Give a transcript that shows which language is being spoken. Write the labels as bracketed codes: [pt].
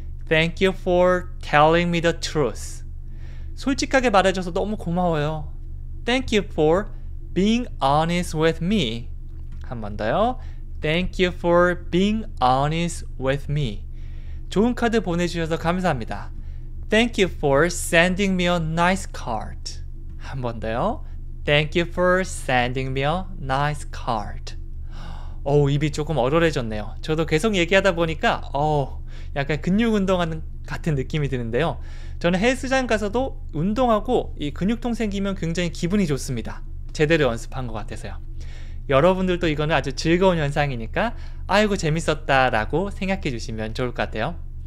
[en] Thank you for telling me the truth. [ko] 솔직하게 말해줘서 너무 고마워요. [en] Thank you for being honest with me. [ko] 한 번 더요. [en] Thank you for being honest with me. [ko] 좋은 카드 보내주셔서 감사합니다. [en] Thank you for sending me a nice card. [ko] 한 번 더요. [en] Thank you for sending me a nice card. [ko] 어우, 입이 조금 얼얼해졌네요. 저도 계속 얘기하다 보니까 약간 근육 운동하는 같은 느낌이 드는데요. 저는 헬스장 가서도 운동하고 이 근육통 생기면 굉장히 기분이 좋습니다. 제대로 연습한 것 같아서요. 여러분들도 이거는 아주 즐거운 현상이니까 아이고 재밌었다 라고 생각해 주시면 좋을 것 같아요.